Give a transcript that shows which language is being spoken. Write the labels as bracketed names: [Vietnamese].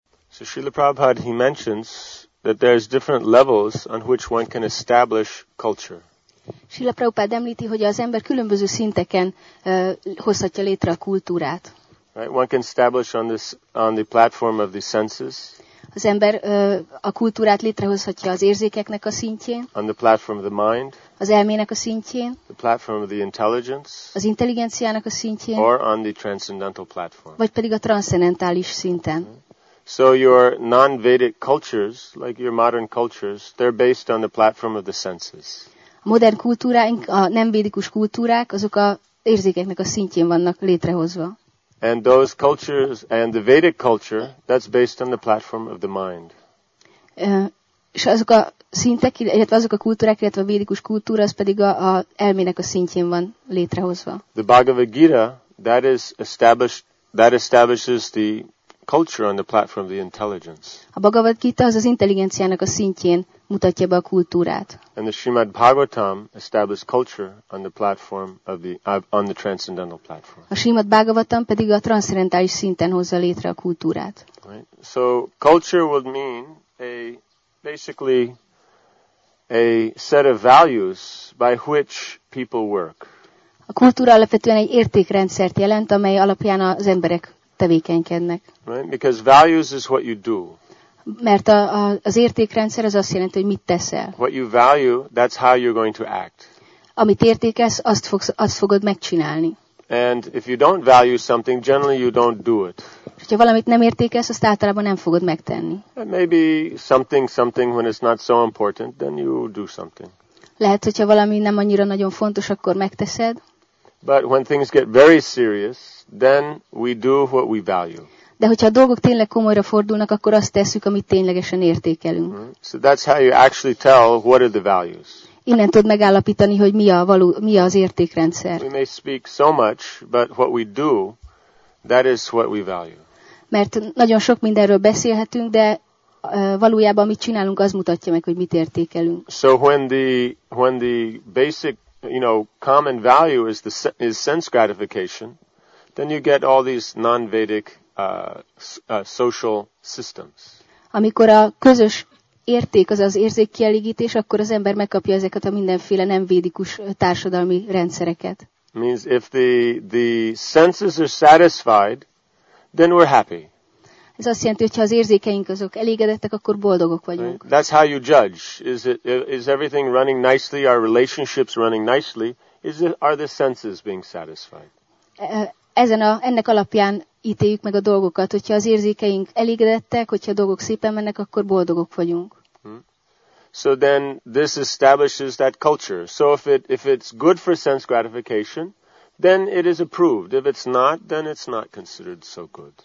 [English] So Srila Prabhupada, he mentions that there's different levels on which one can establish culture. [Hungarian] Srila Prabhupada említi, hogy az ember különböző szinteken hozhatja létre a kultúrát. [English] Right, one can establish on this on the platform of the senses. [Hungarian] Az ember a kultúrát létrehozhatja az érzékeknek a szintjén. [English] On the platform of the mind. [Hungarian] Az elmének a szintjén. [English] The platform of the intelligence. [Hungarian] Az intelligenciának a szintjén. [English] Or on the transcendental platform. [Hungarian] Vagy pedig a transzcendentális szinten. [English] So your non-Vedic cultures, like your modern cultures, they're based on the platform of the senses. [Hungarian] A modern kultúráink, a nem-védikus kultúrák, azok a érzékeknek a szintjén vannak létrehozva. [English] And those cultures and the Vedic culture, that's based on the platform of the mind. [Hungarian] És azok a szintek, illetve azok a kultúrák, illetve a védikus kultúra, az pedig a elmének a szintjén van létrehozva. [English] The Bhagavad Gita, that is established, that establishes the culture on the platform of the intelligence. [Hungarian] A Bhagavad Gita az az intelligenciának a szintjén mutatja be a kultúrát. [English] And the Srimad Bhagavatam established culture on the platform of the on the transcendental platform. [Hungarian] A Srimad Bhagavatam pedig a transzcendentális szinten hozza létre a kultúrát. [English] Right. So culture would mean a basically a set of values by which people work. [Hungarian] A kultúra alapvetően egy értékrendszert jelent, amely alapján az emberek tevékenykednek. [English] Right? Because values is what you do. [Hungarian] Mert az értékrendszer az azt jelenti, hogy mit teszel. [English] What you value, that's how you're going to act. [Hungarian] Amit értékelsz, azt fogod megcsinálni. [English] And if you don't value something, generally you don't do it. [Hungarian] És hogyha valamit nem értékelsz, azt általában nem fogod megtenni. [English] And maybe something when it's not so important, then you do something. [Hungarian] Lehet, hogyha valami nem annyira nagyon fontos, akkor megteszed. [English] But when things get very serious, then we do what we value. [Hungarian] De hogyha a dolgok tényleg komolyra fordulnak, akkor azt tesszük, amit ténylegesen értékelünk. [English] So that's how you actually tell what are the values. [Hungarian] Innen tud megállapítani, hogy mi az értékrendszer. [English] We may speak so much, but what we do, that is what we value. [Hungarian] Mert nagyon sok mindenről beszélhetünk, de valójában amit csinálunk, az mutatja meg, hogy mit értékelünk. [English] So when the basic, you know, common value is the is sense gratification, then you get all these non-Vedic social systems. [Hungarian] Amikor a közös érték az érzékkielégítés, akkor az ember megkapja ezeket a mindenféle nem védikus társadalmi rendszereket. [English] Means if the senses are satisfied, then we're happy. [Hungarian] Ez azt jelenti, hogy ha az érzékeink azok elégedettek, akkor boldogok vagyunk. [English] Right? That's how you judge. Is everything running nicely? Are relationships running nicely? Are the senses being satisfied? [Hungarian] Ennek alapján ítéljük meg a dolgokat, hogyha az érzékeink elégedettek, hogyha a dolgok szépen mennek, akkor boldogok vagyunk. [English] So then this establishes that culture. So if it's good for sense gratification, then it is approved. If it's not, then it's not considered so good.